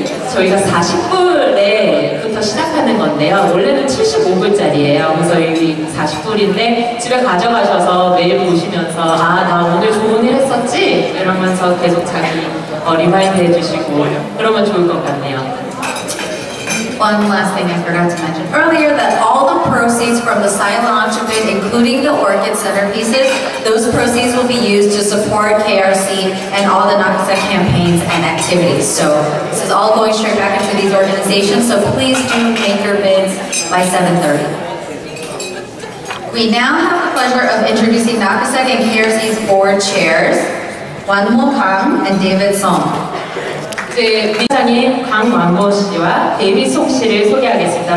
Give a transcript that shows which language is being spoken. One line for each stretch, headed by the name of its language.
Korean: 저희가 40불에부터 시작하는 건데요. 원래는 75불짜리예요. 그래서 이 40불인데 집에 가져가셔서 매일 보시면서 아, 나 오늘 좋은 일 했었지? 이러면서 계속 자기 리마인드 해주시고 그러면 좋을 것 같네요.
English: One last thing I forgot to mention earlier, that all the proceeds from the silent auction bid, including the orchid centerpieces, those proceeds will be used to support KRC and all the NAKASEC campaigns and activities. So this is all going straight back into these organizations, so please do make your bids by 7:30. We now have the pleasure of introducing NAKASEC and KRC's board chairs, Wan Mo Kang and David Song.
Korean: 이사님 강완모 씨와 데이비송 씨를 소개하겠습니다.